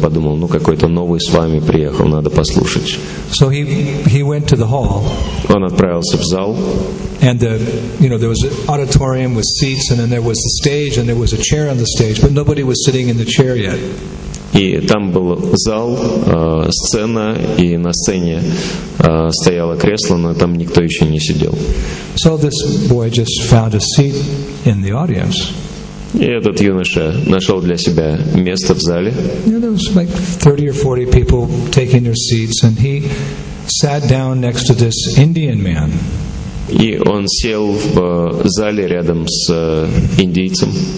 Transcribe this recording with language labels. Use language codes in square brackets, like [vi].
[ru] Он подумал, ну какой-то новый с вами приехал, надо послушать. [en] So he went to the hall. [ru] Он отправился в зал. [en] And there was an auditorium with seats, and then there was the stage, and there was a chair on the stage, but nobody was sitting in the chair yet. [ru] И там был зал, сцена, и на сцене стояло кресло, но там никто еще не сидел. [en] So this boy just found a seat in the audience. [ru] И этот юноша нашел для себя место в зале. [en] Yeah, there was like 30 or 40 people taking their seats, and he sat down next to this Indian man. [ru] И он сел в зале рядом с индийцем.